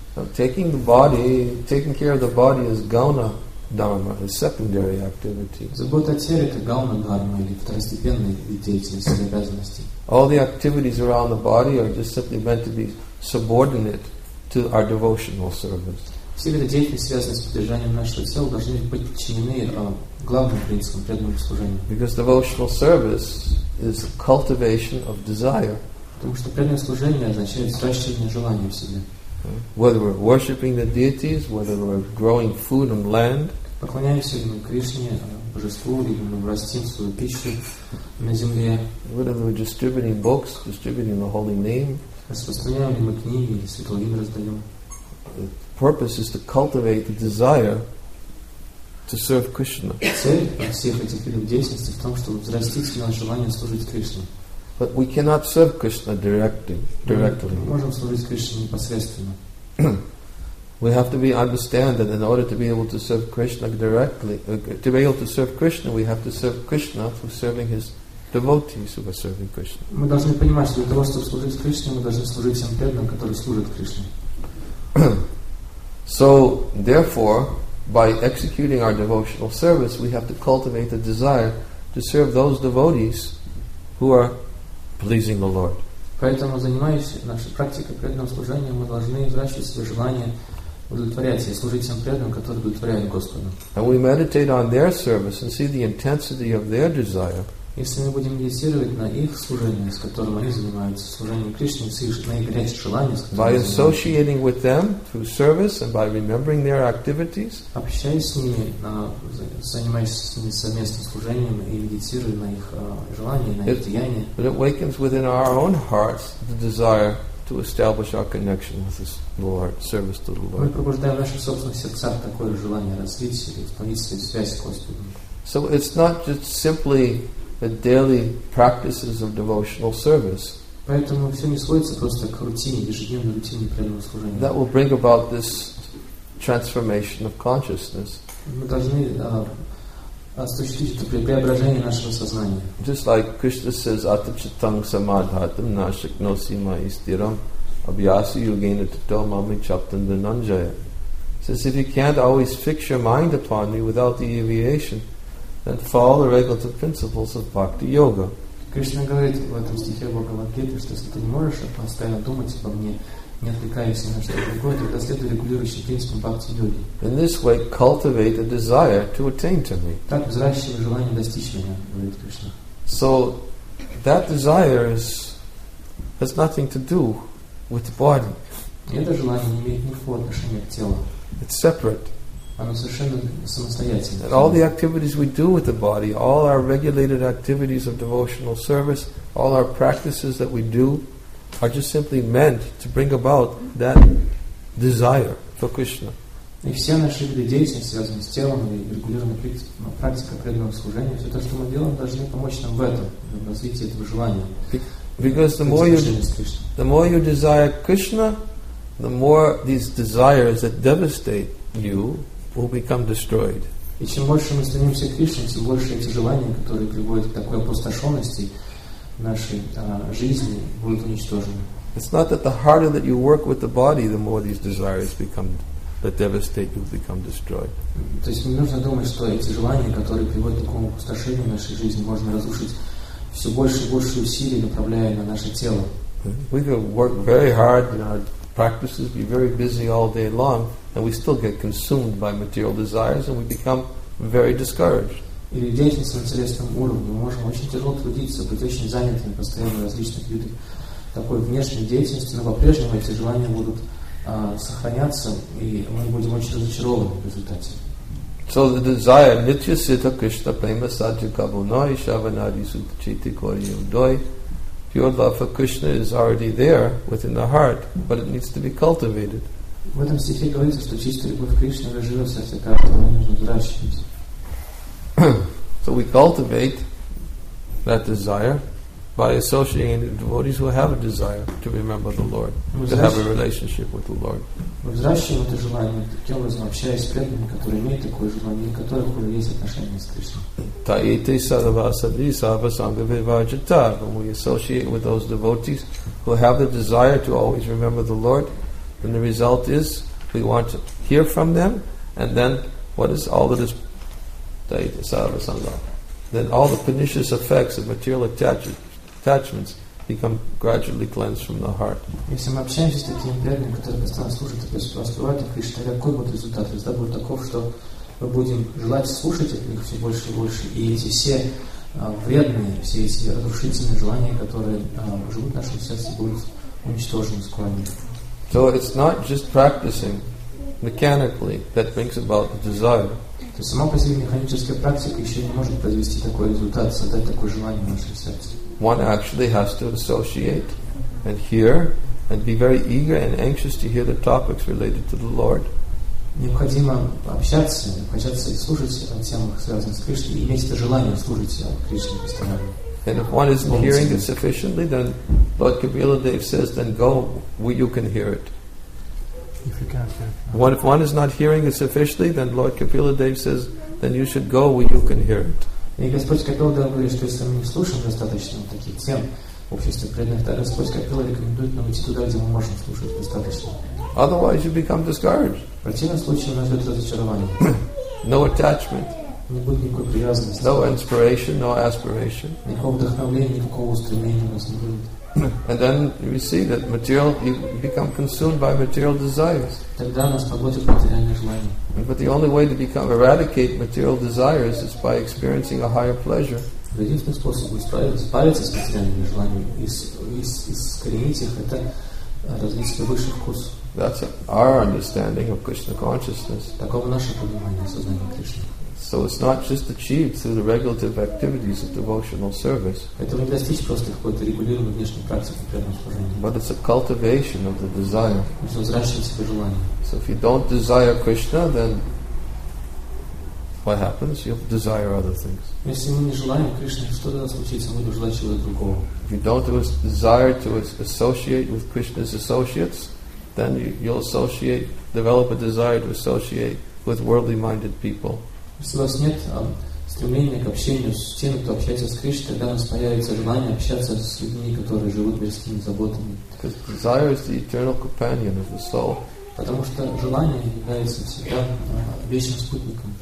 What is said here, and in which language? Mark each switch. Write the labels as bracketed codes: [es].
[en] So taking the body, taking care of the body is gauna dharma, is secondary activity. [ru] Забота о теле — это гауна дхарма или второстепенный вид деятельности или обязанности. [en] All the activities around the body are just simply meant to be subordinate to our devotional service. [ru] Все виды деятельности, связанные с поддержанием нашего тела, должны быть подчинены главным принципам преданного служения. [en] Because devotional service is the cultivation of desire. [ru] Потому что преданное служение означает взращивание желания в себе. [en] Whether we're worshipping the deities, whether we're growing food on land, [ru] поклоняемся ли мы Кришне, божеству, или мы растим свою пищу на земле, [en] whether we're distributing books, distributing the holy name, [ru] распространяем ли мы книги или святое имя раздаем. [en] The purpose is to cultivate the desire to serve Krishna. [ru] Цель всех этих видов деятельности в том, чтобы взрастить в нас желание служить Кришне. [en] But we cannot serve Krishna directly. [ru] Мы можем служить Кришне непосредственно. [en] We have to be understand that in order to be able to serve Krishna directly, to be able to serve Krishna, we have to serve Krishna through serving His devotees who are serving Krishna. [ru] Мы должны понимать, что для того, чтобы служить Кришне, мы должны служить тем преданным, которые служат Кришне. [en] So, therefore, by executing our devotional service, we have to cultivate the desire to serve those devotees who are pleasing the Lord. [ru] Поэтому, занимаясь нашей практикой преданного служения, мы должны взращивать свое желание удовлетворять и служить тем преданным, которые удовлетворяют Господу. [en] And we meditate on their service and see the intensity of their desire. [ru] Если мы будем медитировать на их служение, с которым они занимаются, служением Кришне, с их на их горячее желание, с которым [en] by associating with them through service and by remembering their activities, [ru] общаясь с ними, занимаясь с ними совместным служением и медитируя на их желания, на их деяния, [en] it awakens within our own hearts the desire to establish our connection with this Lord, service to the Lord. [ru] Мы пробуждаем в наших собственных сердцах такое желание развить или установить свою связь с Господом. [en] So it's not just simply the daily practices of devotional service. [ru] Поэтому все не сводится просто к рутине, ежедневной рутине преданного служения. [en] That will bring about this transformation of consciousness. [ru] Мы должны осуществить это преображение нашего сознания. [en] Just like Krishna says, [sa] atachitang samadhatam nashaknosi maistiram abhyasi yugena tato mami chaptan dhananjaya. [en] Says, if you can't always fix your mind upon me without the deviation, and follow the regulative principles of bhakti yoga. [ru] Кришна говорит в этом стихе Бхагавад-гиты, что если ты не можешь постоянно думать обо мне, не отвлекаясь на что-то другое, то следуй регулирующим принципам бхакти йоги. [en] In this way, cultivate a desire to attain to me. [ru] Так взращивай желание достичь меня, говорит Кришна. [en] So that desire is has nothing to do with the body. [ru] Это желание не имеет никакого отношения к телу. [en] It's separate. [ru] Оно совершенно самостоятельно. [en] And all the activities we do with the body, all our regulated activities of devotional service, all our practices that we do, are just simply meant to bring about that desire for Krishna. [ru] И все наши виды деятельности, связанные с телом и регулированной практикой преданного служения, все то, что мы делаем, должны помочь нам в этом, в развитии этого желания. [en] Because the more you desire Krishna, the more these desires that devastate you will become destroyed. [ru] И чем больше мы стремимся к Кришне, тем больше эти желания, которые приводят к такой опустошенности нашей жизни, будут уничтожены. [en] It's not that the harder that you work with the body, the more these desires become that devastate you become destroyed. [ru] То есть не нужно думать, что эти желания, которые приводят к такому опустошению нашей жизни, можно разрушить все больше и больше усилий, направляя на наше тело. [en] We can work very hard in our practices, be very busy all day long, and we still get consumed by material desires and we become very discouraged. [ru] Или деятельность на телесном уровне. Мы можем очень тяжело трудиться, быть очень занятыми, постоянно в различных видах такой внешней деятельности, но по-прежнему эти желания будут сохраняться, и мы будем очень разочарованы в результате. [en] So the desire, [sa] nitya sita krishna prema sadya kabunai shavanadi sutta chiti kori yudoi, [en] pure love for Krishna is already there within the heart, but it needs to be cultivated. [ru] В этом стихе говорится, что чистая любовь к Кришне уже живет в сердце каждого, но нужно взращивать. [en] So we cultivate that desire. by associating the devotees who have a desire to remember the Lord, to have a relationship with the Lord. [ru] Возвращаем это желание таким образом, общаясь с преданными, которые имеют такое желание, и у которых уже есть отношения с Кришной. [sa] Таити сарва сади сарва санга виваджита. [en] When we associate with those devotees who have the desire to always remember the Lord, then the result is we want to hear from them, and then what is all that is [sa] таити сарва санга? [en] Then all the pernicious effects of material attachments become gradually cleansed from the heart. [ru] Если мы общаемся с такими преданными, которые постоянно слушают и преподавают Кришну, какой будет результат? Результат будет таков, что мы будем желать слушать от них все больше и больше, и эти все вредные, все эти разрушительные желания, которые живут в нашем сердце, будут уничтожены скоро. [en] So it's not just practicing mechanically that brings about the desire. [ru] То есть сама по себе механическая практика еще не может произвести такой результат, создать такое желание в нашем сердце. [en] One actually has to associate and hear and be very eager and anxious to hear the topics related to the Lord. Необходимо общаться и слушать о темах, связанных с Кришной, и иметь это желание служить Кришне постоянно. And if one isn't hearing it sufficiently, then Lord Kapila Dev says, then go where you can hear it. If you can't hear it. Okay. If one is not hearing it sufficiently, then Lord Kapila Dev says, then you should go where you can hear it. [ru] И Господь Капилла говорит, что если мы не слушаем достаточно таких тем в обществе преданных, то Господь Капилла рекомендует нам идти туда, где мы можем слушать достаточно. [en] Otherwise you become discouraged. [ru] В противном случае у нас будет разочарование. [en] No attachment. [ru] Не будет никакой привязанности. [en] No inspiration, no aspiration. [ru] Никакого вдохновления, никакого устремления у нас не будет. [en] And then we see that material, you become consumed by material desires. [ru] Тогда нас поглотит материальное желание. [en] But the only way to become eradicate material desires is by experiencing a higher pleasure. [ru] Единственный способ справиться с материальными желаниями и искоренить их — это развить высший вкус. [en] That's our understanding of Krishna consciousness. [ru] Таково наше понимание сознания Кришны. [en] So it's not just achieved through the regulative activities of devotional service. [ru] Это не достичь просто какой-то регулируемой внешней практики преданного служения. [en] But it's a cultivation of the desire. [ru] Это взращивание себе желания. [en] So if you don't desire Krishna, then what happens? You'll desire other things. [ru] Если мы не желаем Кришны, что тогда случится? Мы будем желать чего-то другого. [en] If you don't desire to associate with Krishna's associates, then you'll associate, develop a desire to associate with worldly-minded people. [ru] Если у вас нет стремления к общению с тем, кто общается с Кришной, тогда у нас появится желание общаться с людьми, которые живут мирскими заботами. [en] Because desire is the eternal companion of the soul. [ru] Потому что желание является всегда вечным спутником.